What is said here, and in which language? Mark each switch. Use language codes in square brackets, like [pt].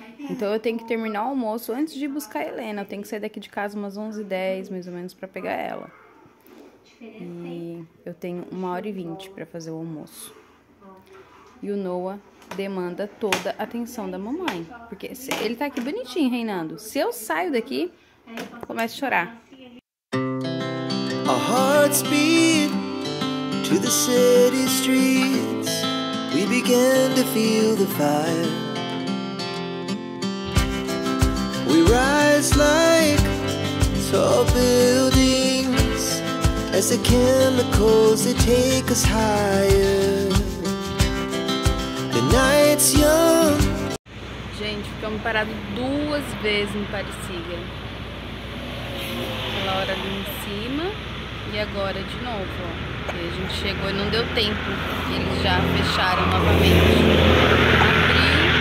[pt] Então eu tenho que terminar o almoço antes de buscar a Helena. Eu tenho que sair daqui de casa umas 11h10, mais ou menos, pra pegar ela. E eu tenho 1h20 para fazer o almoço. E o Noah demanda toda a atenção da mamãe. Porque ele tá aqui bonitinho, reinando. Se eu saio daqui, começa a chorar. [en] Our hearts beat to the city streets. We began to feel the fire. We rise like tall buildings. As the chemicals, they take us higher. The night's young. [pt] Gente, ficamos parados duas vezes em Aparecida. Aquela hora ali em cima e agora de novo, ó. E a gente chegou e não deu tempo. Eles já fecharam novamente. Abriu.